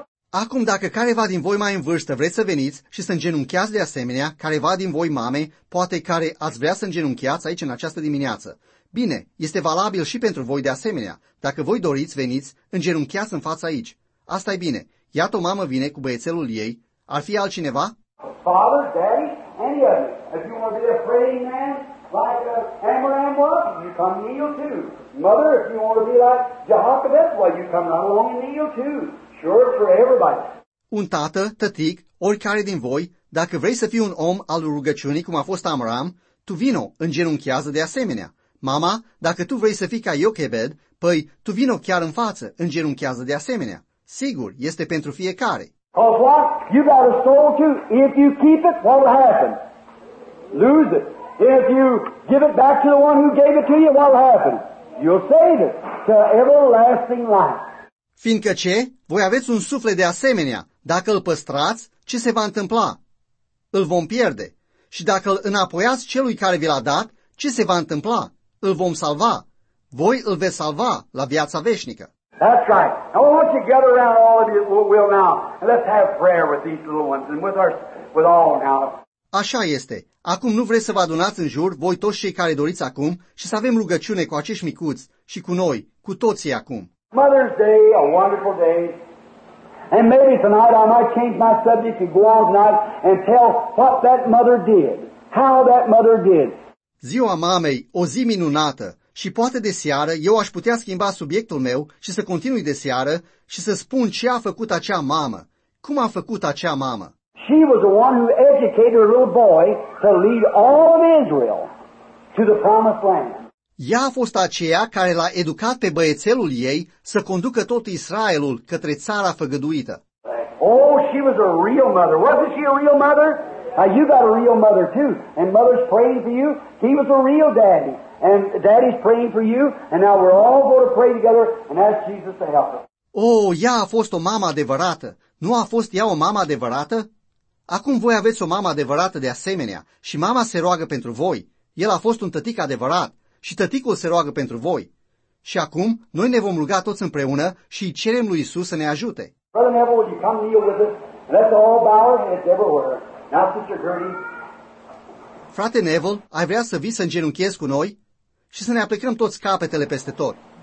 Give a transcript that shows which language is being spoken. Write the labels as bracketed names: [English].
[Romanian] Acum, dacă careva din voi mai în vârstă vreți să veniți și să îngenunchiați de asemenea, careva din voi mame, poate care ați vrea să îngenunchiați aici în această dimineață. Bine, este valabil și pentru voi de asemenea. Dacă voi doriți, veniți, îngenunchiați în fața aici. Asta e bine. Iată o mamă vine cu băiețelul ei. Ar fi altcineva? [English] Father, Daddy, any of you. If you want to be a praying man, like Amram was, you come kneel too. Mother, if you want to be like Jehoshaphat, well, you come right along and kneel too. Sure, for everybody. [Romanian] Un tată, tătic, oricare din voi, dacă vrei să fii un om al rugăciunii, cum a fost Amram, tu vino, îngenunchează de asemenea. Mama, dacă tu vrei să fii ca Iochebed, păi, tu vino chiar în față, îngenunchează de asemenea. Sigur, este pentru fiecare. [English] Cause what? You got a soul too. If you keep it, what will happen? Lose it. If you give it back to the one who gave it to you, what will happen? You'll save it to everlasting life. [Romanian] Fiindcă ce? Voi aveți un suflet de asemenea. Dacă îl păstrați, ce se va întâmpla? Îl vom pierde. Și dacă îl înapoiați celui care vi l-a dat, ce se va întâmpla? Îl vom salva. Voi îl veți salva la viața veșnică. [English] That's right. Now, I want you to gather around all of you, will now, and let's have prayer with these little ones and with our, with all now. [Romanian] Așa este. Acum nu vreți să vă adunați în jur, voi toți cei care doriți acum, și să avem rugăciune cu acești micuți și cu noi, cu toții acum. [English] Mother's Day, a wonderful day. And maybe tonight I might change my subject and go on tonight and tell what that mother did, how that mother did. [Romanian] Ziua mamei, o zi minunată. Și poate de seară eu aș putea schimba subiectul meu și să continui de seară și să spun ce a făcut acea mamă. Cum a făcut acea mamă? [English] She was the one who educated her little boy to lead all of Israel to the promised land. [Romanian] Ea a fost aceea care l-a educat pe băiețelul ei să conducă tot Israelul către țara făgăduită. [English] Oh, she was a real mother. Wasn't she a real mother? You got a real mother too. And mother's praying for you. He was a real daddy. And daddy's praying for you. And now we're all going to pray together and ask Jesus to help us. [Romanian] Oh, ea a fost o mamă adevărată. Nu a fost ea o mamă adevărată? Acum voi aveți o mamă adevărată de asemenea și mama se roagă pentru voi. El a fost un tătic adevărat și tăticul se roagă pentru voi. Și acum noi ne vom ruga toți împreună și îi cerem lui Iisus să ne ajute. [English] Brother Neville, would you come kneel with us? Let's all bow our heads everywhere. Now, Sister Gertie. [Romanian] Frate Neville, ai vrea să vii să îngenunchiezi cu noi și să ne aplecăm toți capetele peste tot.